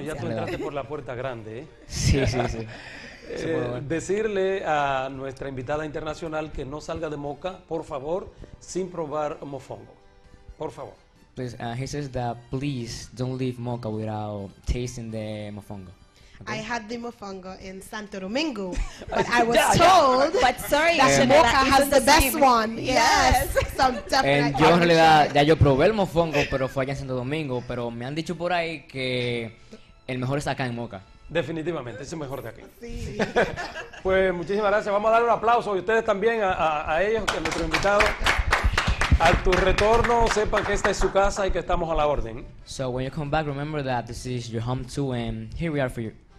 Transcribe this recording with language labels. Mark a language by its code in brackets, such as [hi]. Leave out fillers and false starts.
[es] Bueno, ya tú entraste por la puerta grande, ¿eh? Sí, sí, sí. Decirle a nuestra invitada internacional que no salga de Moca, por favor, sin probar mofongo. Por favor. [en] Please, he says that please don't leave Moca without tasting the mofongo. Okay? I had the mofongo in Santo Domingo, but I was told but sorry, that Moca has the best one. Yes. So I'm definitely. [es] Yo en realidad ya yo probé el mofongo, pero fue allá en Santo Domingo, pero me han dicho por ahí que el mejor está acá en Moca. Definitivamente, es el mejor de aquí. Sí. Pues muchísimas gracias. Vamos a darle un aplauso y ustedes también a ellos, que a nuestro invitado. A tu retorno, sepan que esta es su casa y que estamos a la orden. [en] So when you come back, remember that this is your home too, and here we are for you.